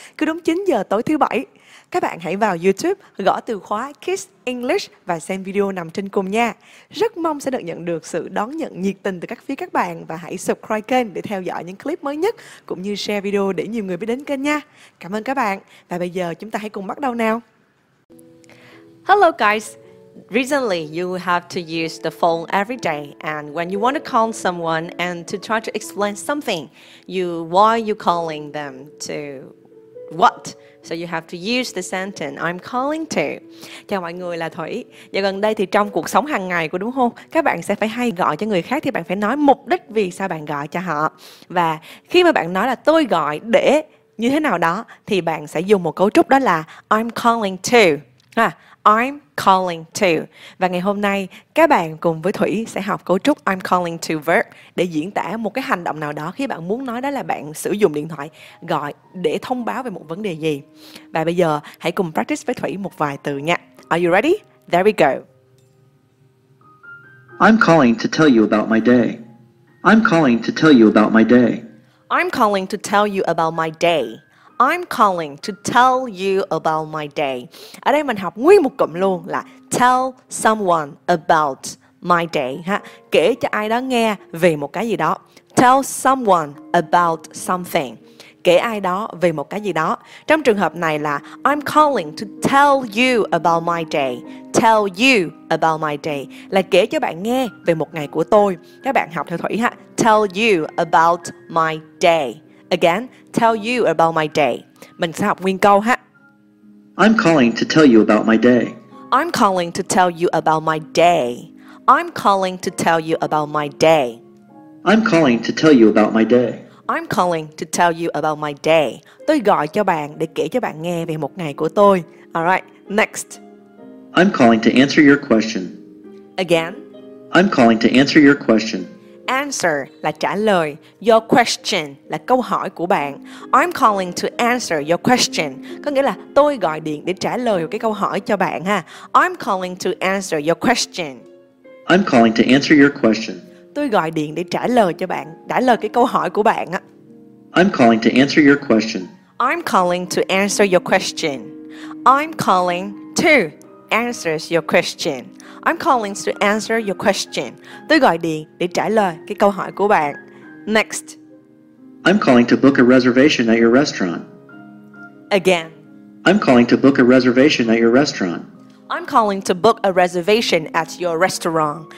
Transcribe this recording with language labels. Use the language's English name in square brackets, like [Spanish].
[Vietnamese] Cứ đúng 9 giờ tối thứ bảy, các bạn hãy vào YouTube gõ từ khóa Kiss English và xem video nằm trên cùng nha. Rất mong sẽ được nhận được sự đón nhận nhiệt tình từ các phía các bạn và hãy subscribe kênh để theo dõi những clip mới nhất cũng như share video để nhiều người biết đến kênh nha. Cảm ơn các bạn và bây giờ chúng ta hãy cùng bắt đầu nào. [English] Hello guys. Recently, you have to use the phone every day, and when you want to call someone and to try to explain something, why are you calling them to what? So you have to use the sentence I'm calling to. [Vietnamese] Chào mọi người, là Thủy. Và gần đây thì trong cuộc sống hàng ngày của đúng không? Các bạn sẽ phải hay gọi cho người khác thì bạn phải nói mục đích vì sao bạn gọi cho họ. Và khi mà bạn nói là tôi gọi để như thế nào đó, thì bạn sẽ dùng một cấu trúc đó là I'm calling to. I'm calling to. Và ngày hôm nay các bạn cùng với Thủy sẽ học cấu trúc I'm calling to verb để diễn tả một cái hành động nào đó khi bạn muốn nói đó là bạn sử dụng điện thoại gọi để thông báo về một vấn đề gì. Và bây giờ hãy cùng practice với Thủy một vài từ nha. [English] Are you ready? There we go. I'm calling to tell you about my day. I'm calling to tell you about my day. I'm calling to tell you about my day. I'm calling to tell you about my day. [Vietnamese] Ở đây mình học nguyên một cụm luôn là tell someone about my day. Ha? Kể cho ai đó nghe về một cái gì đó. [English] Tell someone about something. [Vietnamese] Kể ai đó về một cái gì đó. Trong trường hợp này là I'm calling to tell you about my day. [English] Tell you about my day. [Vietnamese] Là kể cho bạn nghe về một ngày của tôi. Các bạn học theo Thủy ha. [English] Tell you about my day. Again, tell you about my day. [Vietnamese] Mình sẽ học nguyên câu ha. [English] I'm calling to tell you about my day. I'm calling to tell you about my day. I'm calling to tell you about my day. I'm calling to tell you about my day. I'm calling to tell you about my day. [Vietnamese] Tôi gọi cho bạn để kể cho bạn nghe về một ngày của tôi. [English] All right, next. I'm calling to answer your question. Again. I'm calling to answer your question. [Vietnamese] Answer là trả lời. Your question là câu hỏi của bạn. [English] I'm calling to answer your question. [Vietnamese] Có nghĩa là tôi gọi điện để trả lời cái câu hỏi cho bạn ha. [English] I'm calling to answer your question. I'm calling to answer your question. [Vietnamese] Tôi gọi điện để trả lời cho bạn, trả lời cái câu hỏi của bạn. [English] I'm calling to answer your question. I'm calling to answer your question. I'm calling to answer your question. I'm calling to answer your question. [Vietnamese] Tôi gọi điện để trả lời cái câu hỏi của bạn. [English] Next. I'm calling to book a reservation at your restaurant. Again. I'm calling to book a reservation at your restaurant. I'm calling to book a reservation at your restaurant.